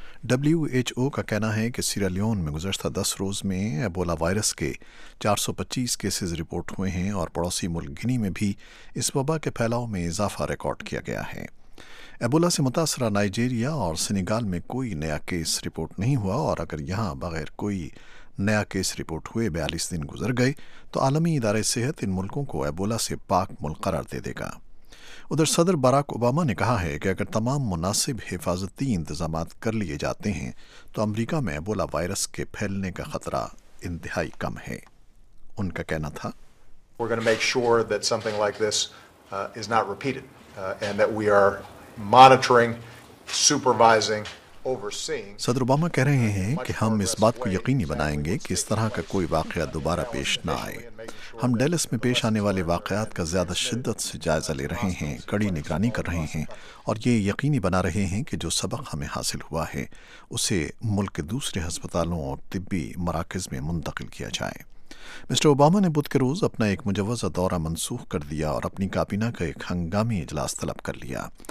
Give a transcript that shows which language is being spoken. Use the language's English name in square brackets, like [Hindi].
[Urdu] W H O کا کہنا ہے کہ سیرالیون میں گزشتہ 10 روز میں ایبولا وائرس کے 425 کیسز رپورٹ ہوئے ہیں اور پڑوسی ملک گنی میں بھی اس وبا کے پھیلاؤ میں اضافہ ریکارڈ کیا گیا ہے۔ ایبولا سے متاثرہ نائجیریا اور سینیگال میں کوئی نیا کیس رپورٹ نہیں ہوا، اور اگر یہاں بغیر کوئی نیا کیس رپورٹ ہوئے 42 دن گزر گئے تو عالمی ادارے صحت ان ملکوں کو ایبولا سے پاک ملک قرار دے دے گا۔ ادھر صدر باراک اوباما نے کہا ہے کہ اگر تمام مناسب حفاظتی انتظامات کر لیے جاتے ہیں تو امریکہ میں ایبولا وائرس کے پھیلنے کا خطرہ انتہائی کم ہے۔ ان کا کہنا تھا، [English] We're going to make sure that something like this is not repeated and that we are monitoring, supervising, overseeing۔ [Urdu] صدر اوباما کہہ رہے ہیں کہ ہم اس بات کو یقینی بنائیں گے کہ اس طرح کا کوئی واقعہ دوبارہ پیش نہ آئے۔ ہم ڈیلس میں پیش آنے والے واقعات کا زیادہ شدت سے جائزہ لے رہے ہیں، کڑی نگرانی کر رہے ہیں اور یہ یقینی بنا رہے ہیں کہ جو سبق ہمیں حاصل ہوا ہے اسے ملک کے دوسرے ہسپتالوں اور طبی مراکز میں منتقل کیا جائے۔ مسٹر اوباما نے بدھ کے روز اپنا ایک مجوزہ دورہ منسوخ کر دیا اور اپنی کابینہ کا ایک ہنگامی اجلاس طلب کر لیا۔